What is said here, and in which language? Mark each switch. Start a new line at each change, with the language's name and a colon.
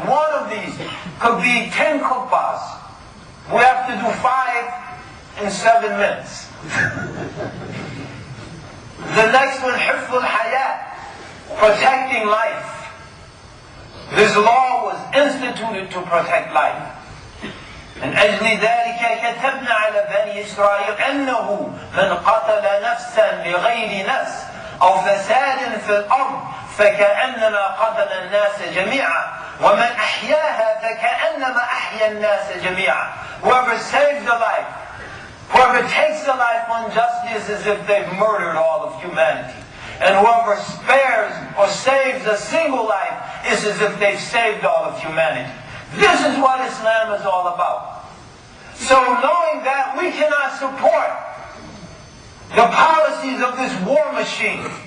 English: One of these could be 10 khutbahs. We have to do 5 in 7 minutes. The next one, Hifz al-Haya, protecting life. This law was instituted to protect life.
Arabic: من أجل ذلك كتبنا على بني إسرائيل أنه من قتل نفسا لغير نفس أو فساد في الأرض فكأنما قتل الناس جميعا ومن أحياها فكأنما أحيا الناس جميعا.
English: Whoever saves a life, whoever takes a life unjustly is as if they've murdered all of humanity. And whoever spares or saves a single life is as if they've saved all of humanity. This is what Islam is all about. So knowing that, we cannot support the policies of this war machine.